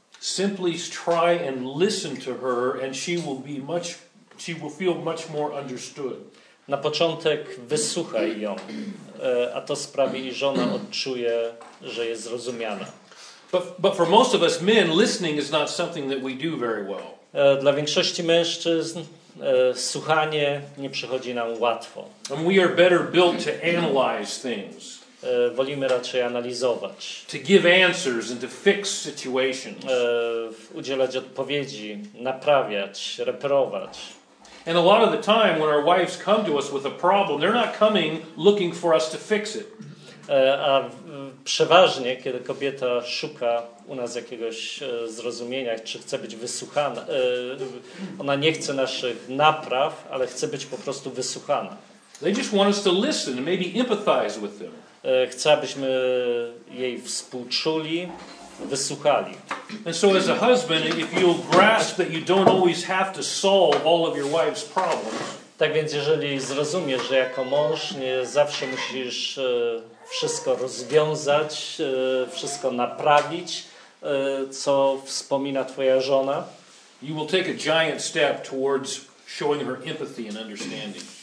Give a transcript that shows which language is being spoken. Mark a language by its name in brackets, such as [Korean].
[English] Simply try and listen to her and she will feel much more understood. [Polish] Na początek wysłuchaj ją, a to sprawi, że żona odczuje, że jest zrozumiana. [English] But for most of us men, listening is not something that we do very well. [Polish] Dla większości mężczyzn słuchanie nie przychodzi nam łatwo. [English] And we are better built to analyze things. [Polish] Wolimy raczej analizować. [English] To give answers and to fix situations. [Polish] Udzielać odpowiedzi, naprawiać, reperować. [English] And a lot of the time when our wives come to us with a problem, they're not coming looking for us to fix it. [Polish] A przeważnie, kiedy kobieta szuka u nas jakiegoś zrozumienia, czy chce być wysłuchana, ona nie chce naszych napraw, ale chce być po prostu wysłuchana. [English] They just want us to listen and maybe empathize with them. [Polish] Chce, abyśmy jej współczuli, wysłuchali. [English] And so as a husband, if you'll grasp that you don't always have to solve all of your wife's problems. [Polish] Tak więc jeżeli zrozumiesz, że jako mąż nie zawsze musisz wszystko rozwiązać, wszystko naprawić, co wspomina twoja żona, [English] you will take a giant step towards showing her empathy and understanding.